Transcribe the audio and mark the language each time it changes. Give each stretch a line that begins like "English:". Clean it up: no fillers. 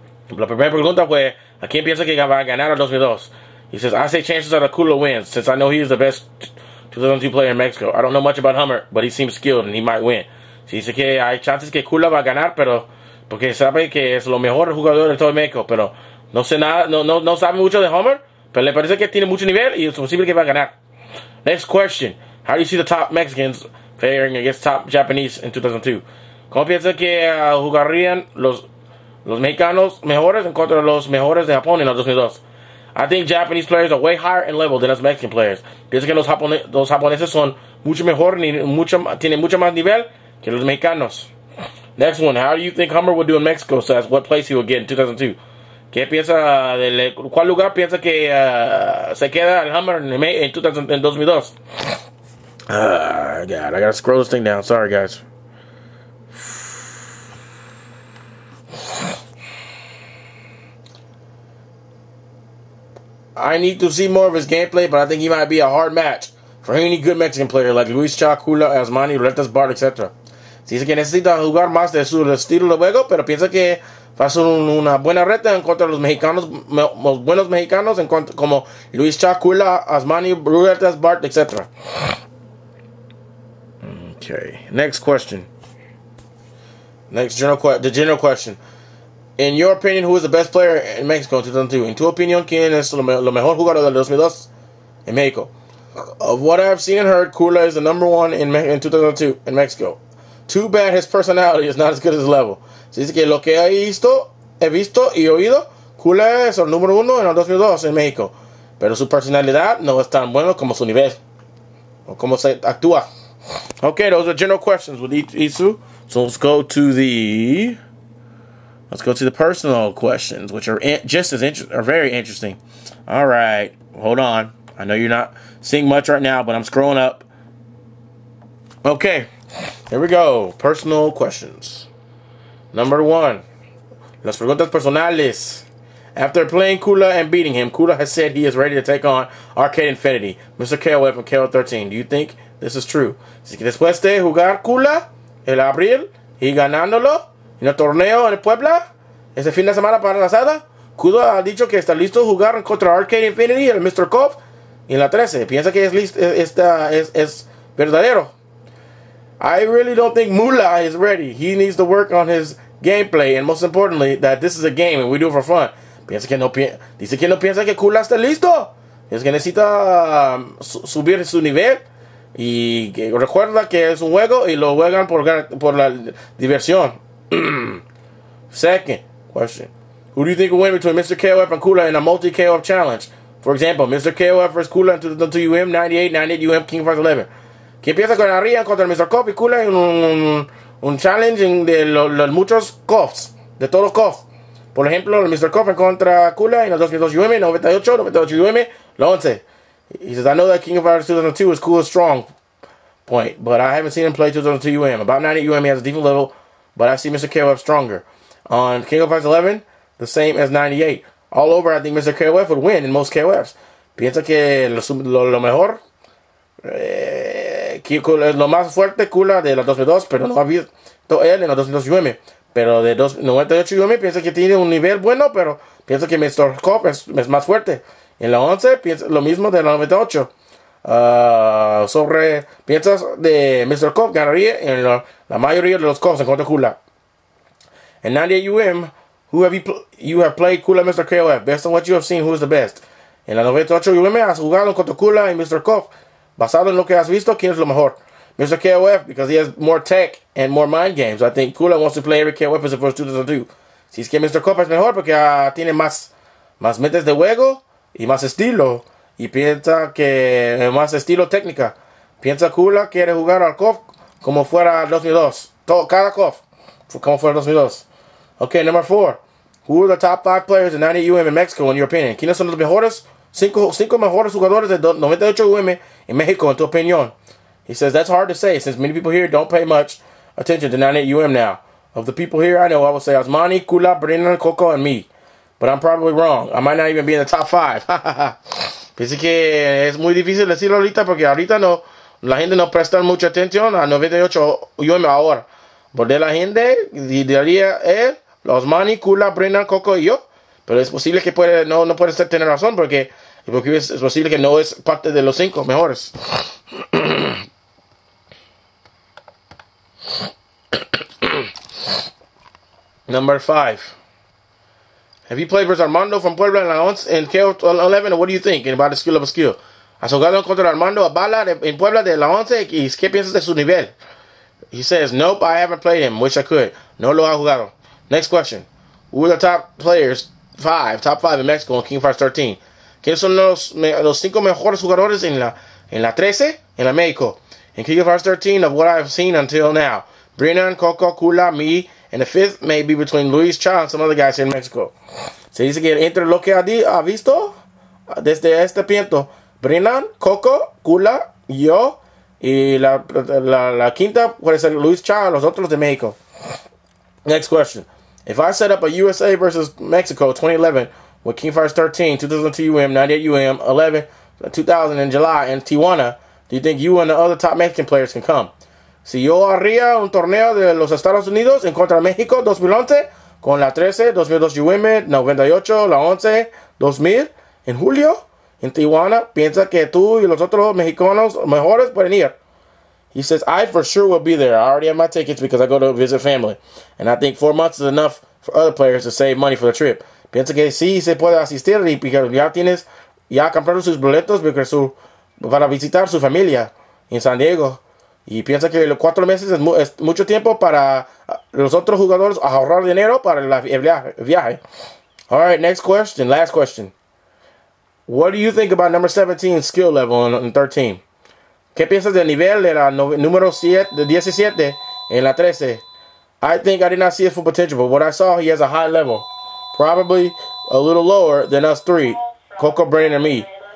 Spanish: La primera pregunta fue, ¿a quién piensa que va a ganar el 2002?
English: He says, I say chances are the cooler wins, since I know he is the best 2002 player in Mexico. I don't know much about Hummer, but he seems skilled and he might win.
Spanish: Si dice que hay chances que Kula va a ganar, pero porque sabe que es lo mejor jugador de todo México, pero no sé nada, no sabe mucho de Hummer, pero le parece que tiene mucho nivel y es posible que va a ganar.
English: Next question. How do you see the top Mexicans faring against top Japanese in 2002?
Spanish: ¿Cómo piensa que jugarían los mexicanos mejores en contra de los mejores de Japón en el 2002?
English: I think Japanese players are way higher in level than us Mexican players.
Spanish: Pienso que los japoneses son mucho mejor y tienen mucho más nivel que los mexicanos.
English: Next one. How do you think Hummer would do in Mexico? So that's what place he would get in 2002.
Spanish: ¿Qué piensa del cuál lugar piensa que se queda el Hummer en 2002?
English: God, I gotta scroll this thing down. Sorry, guys. I need to see more of his gameplay, but I think he might be a hard match for any good Mexican player like Luis Chacula, Asmani, Retas Bart, etc.
Spanish: Si dice que necesita jugar más de su estilo de juego, pero piensa que va a ser una buena reta en contra de los mexicanos, los buenos mexicanos en contra, como Luis Chacula, Asmani, Retas Bart, etc.
English: Okay, next question. The general question. In your opinion, who is the best player in Mexico in 2002?
Spanish: In tu opinión, ¿quién es lo mejor jugador del 2002 en México?
English: Of what I've seen and heard, Kula is the number one in 2002 in Mexico. Too bad his personality is not as good as his level.
Spanish: Se dice que lo que he visto y oído, Kula es el número uno en el 2002 en México. Pero su personalidad no es tan bueno como su nivel. O como se actúa.
English: Okay, those are general questions with Isu. So let's go to the... Let's go to the personal questions, which are very interesting. All right, hold on. I know you're not seeing much right now, but I'm scrolling up. Okay, here we go. Personal questions. Number one,
Spanish: las preguntas personales.
English: After playing Kula and beating him, Kula has said he is ready to take on Arcade Infinity, Mr. KOF from KO 13. Do you think this is true?
Spanish: Si después de jugar Kula el Abril y ganándolo en el torneo en Puebla, ese fin de semana para la asada, Kula ha dicho que está listo a jugar contra Arcade Infinity, el Mr. Kov, y en la 13. Piensa que es verdadero.
English: I really don't think Mula is ready. He needs to work on his gameplay, and most importantly, that this is a game and we do it for fun.
Spanish: Piensa que dice que no piensa que Kula está listo. Es que necesita subir su nivel. Y que recuerda que es un juego y lo juegan por la diversión.
English: Second question. Who do you think will win between Mr. KOF and Kula in a multi-KOF challenge? For example, Mr. KOF versus Kula in 2002 UM, 98 UM, King of Fighters 11.
Spanish: ¿Qué piensa que ganaría contra Mr. KOF y Kula en un challenge de los muchos KOFs? De todos KOF. Por ejemplo, Mr. KOF contra Kula en el 2002 UM, 98, 98 UM, 11.
English: He says, I know that King of Fighters 2002 is cool and strong point, but I haven't seen him play 2002 UM. About 98 UM, he has a different level, but I see Mr. KOF stronger. On King of Fighters 11, the same as 98. All over, I think Mr. KOF would win in most KOFs.
Spanish: Piensa que lo mejor, que lo más fuerte Kula de la 2002, pero no ha visto él en la 2002 UM. Pero de 98 UM, piensa que tiene un nivel bueno, pero piensa que Mr. KOF es más fuerte. En la 11, piensa lo mismo de la 98. Sobre piensas de Mr. Kov ganaría en la mayoría de los Kovs en contra de Kula.
English: En 98 UM, who have you played Kula Mr. KOF? Based on what you have seen, who is the best?
Spanish: En la 98 UM has jugado contra Kula y Mr. Koff. Basado en lo que has visto, ¿quién es lo mejor?
English: Mr. KOF, because he has more tech and more mind games. I think Kula wants to play every KOF as a first 2002.
Spanish: Si es que
English: Mr.
Spanish: Koff es mejor porque tiene más metas de juego y más estilo. Y piensa que más estilo técnica. Piensa Kula quiere jugar al Koff como fuera 2002. Cada Koff como fuera 2002.
English: Okay, number 4. Who are the top 5 players in 90 UM in Mexico, in your opinion?
Spanish: ¿Quiénes son los mejores 5 mejores jugadores de 98 UM
English: in Mexico,
Spanish: en tu opinión?
English: He says, that's hard to say, since many people here don't pay much attention to 98 UM now. Of the people here I know, I would say Osmani, Kula, Brennan, Coco, and me. But I'm probably wrong. I might not even be in the top 5.
Spanish: Pensé que es muy difícil decirlo ahorita, porque ahorita no, la gente no presta mucha atención a 98 UM ahora. Por de la gente, diría él, Osmani, Kula, Brennan, Coco y yo. Pero es posible que no puede ser tener razón porque es posible que no es parte de los 5 mejores.
English: Number 5. Have you played versus Armando from Puebla in KO 11? What do you think about the skill of a skill?
Spanish: ¿Has jugado contra Armando Abala en Puebla de la 11? ¿Y qué piensas de su nivel?
English: He says, nope, I haven't played him. Wish I could.
Spanish: No lo ha jugado.
English: Next question. Who are the top five in Mexico in King of Fighters 13?
Spanish: ¿Quiénes son los 5 mejores jugadores en la 13 en la México?
English: In King of Fighters 13, of what I've seen until now, Brennan, Coco, Kula, me, and the fifth may be between Luis Chao and some other guys here in Mexico.
Spanish: Se dice que entre lo que ha visto desde este punto, Brennan, Coco, Kula, yo, y la quinta puede ser Luis Chao, los otros de México.
English: Next question. If I set up a USA versus Mexico 2011 with King Fighters 13, 2002 UM, 98 UM, 11, 2000 in July in Tijuana, do you think you and the other top Mexican players can come?
Spanish: Si yo haría un torneo de los Estados Unidos en contra de México 2011 con la 13, 2002 UM, 98, la 11, 2000 en julio en Tijuana, piensa que tú y los otros mexicanos mejores pueden ir.
English: He says, I for sure will be there. I already have my tickets because I go to visit family. And I think 4 months is enough for other players to save money for the trip.
Spanish: Piensa que sí se puede asistir porque ya compraron sus boletos para visitar su familia en San Diego. Y piensa que los 4 meses es mucho tiempo para los otros jugadores ahorrar dinero para el viaje.
English: All right, next question, last question. What do you think about number 17 skill level in 13?
Spanish: ¿Qué piensas del nivel de la número 17 en la 13?
English: I think I did not see his full potential, but what I saw, he has a high level. Probably a little lower than us three, Coco, Brennan, and me.